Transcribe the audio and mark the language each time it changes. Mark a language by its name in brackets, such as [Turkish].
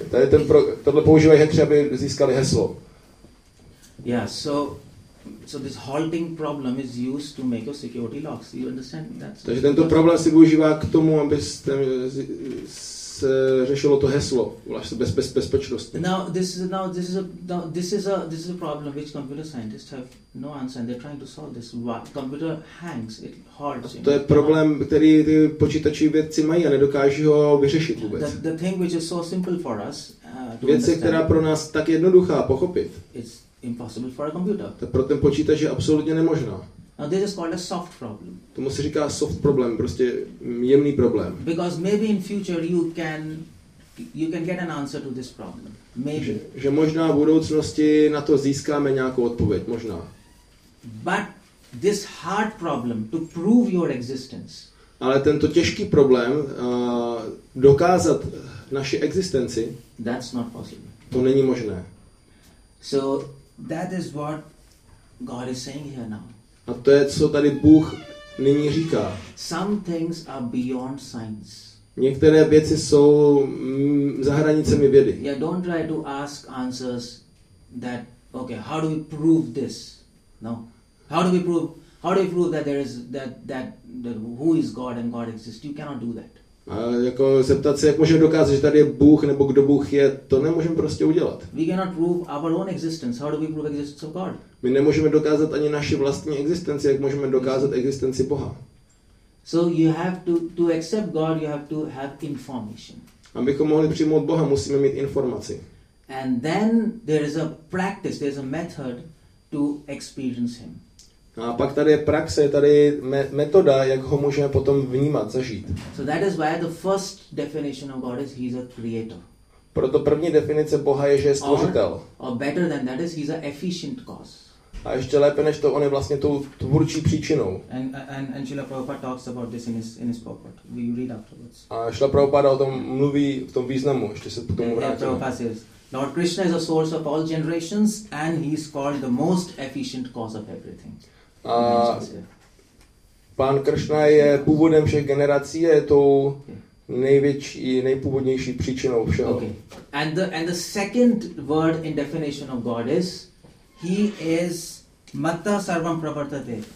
[Czech] Tady ten tohle používají hackři, aby získali heslo. [English] Yeah, so this halting problem is used to make your security locks. You understand that? [Czech] Takže tento problém se využívá k tomu, abyste se řešilo to heslo, vlastně bezpečnost. [English] Now this is a problem which computer scientists have no answer and they're trying to solve this. What? Computer hangs, it halts. [Czech] To je problém, který ty počítači vědci mají a nedokáží ho vyřešit vůbec. [English] The thing which is so simple for us [Czech] věci, která pro nás tak jednoduchá pochopit. [English] It's impossible for a computer. [Czech] To pro ten počítač je absolutně nemožná. [English] Now this is called a soft problem. [Czech] Tomu se říká soft problém, prostě jemný problém. [English] Because maybe in future you can get an answer to this problem. Maybe. [Czech] Že možná v budoucnosti na to získáme nějakou odpověď, možná. [English] But this hard problem to prove your existence. [Czech] Ale tento těžký problém dokázat naši existenci. [English] That's not possible. [Czech] To není možné. [English] So that is what God is saying here now. [Czech] A to je, co tady Bůh nyní říká. [English] Some things are beyond science. [Czech] Některé věci jsou za hranicemi vědy. [English] Yeah, don't try to ask answers that okay, how do we prove this? No. How do we prove that there is that who is God and God exists? You cannot do that. [Czech] A jako zeptat se, jak můžeme dokázat, že tady je Bůh nebo kdo Bůh je, to nemůžeme prostě udělat. [English] We cannot prove our own existence. How do we prove existence of God? [Czech] My nemůžeme dokázat ani naši vlastní existenci, jak můžeme dokázat existenci Boha. [English] So you have to accept God, you have to have information. [Czech] Abychom mohli přijmout Boha, musíme mít informaci. [English] And then there is a practice, there is a method to experience him. [Czech] A pak tady je praxe, tady je metoda, jak ho můžeme potom vnímat, zažít. [English] So that is why the first definition of God is he is a creator. [Czech] Proto první definice Boha je, že je stvořitel. [English] Or better than that is he's an efficient cause. [Czech] A ještě lépe než to, on je vlastně tou tvůrčí příčinou. [English] And Srila Prabhupada talks about this in his purport. We read afterwards. [Czech] A Srila Prabhupada o tom mluví v tom významu, ještě se k tomu vrátíme. [English] Lord Krishna is a source of all generations and he is called the most efficient cause of everything. [Czech] A pán Krishna je původem všech generací, je tou největší, nejpůvodnější příčinou všeho. [English] Okay. And the second word in definition of God is he is [Sanskrit] matta sarvam pravartate.